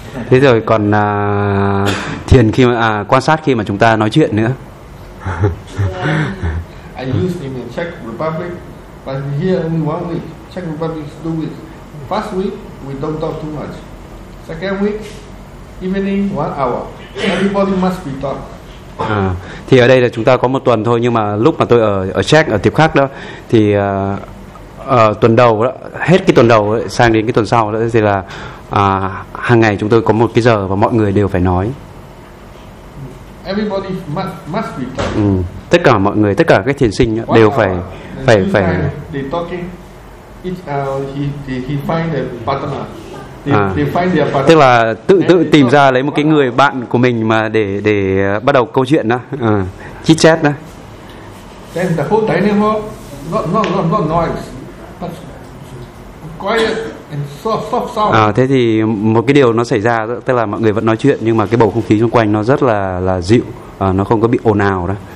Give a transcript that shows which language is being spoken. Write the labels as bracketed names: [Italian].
[Vietnamese] Thế rồi còn thiền khi mà quan sát khi mà chúng ta nói chuyện nữa. [English] I used in the Czech Republic, but here only 1 week. Czech Republic is 2 weeks. First week we don't talk too much. Second week, evening 1 hour. Everybody must be talk. [Vietnamese] Thì ở đây là chúng ta có 1 tuần thôi, nhưng mà lúc mà tôi ở Czech, ở tiệp khác đó, thì tuần đầu đó, hết cái tuần đầu ấy, sang đến cái tuần sau đó, thì là hàng ngày chúng tôi có 1 cái giờ và mọi người đều phải nói. [English] Everybody must be talking. [Vietnamese] Tất cả mọi người, tất cả các thiền sinh đó, đều phải [English] they talking each he find a partner. [Vietnamese] Tức là tự tìm ra lấy một cái người bạn của mình mà để bắt đầu câu chuyện đó, chit chat đó. [English] Then the whole dining hall not noise, but quiet and soft sound. [Vietnamese] Thế thì một cái điều nó xảy ra, tức là mọi người vẫn nói chuyện nhưng mà cái bầu không khí xung quanh nó rất là dịu, nó không có bị ồn ào đó.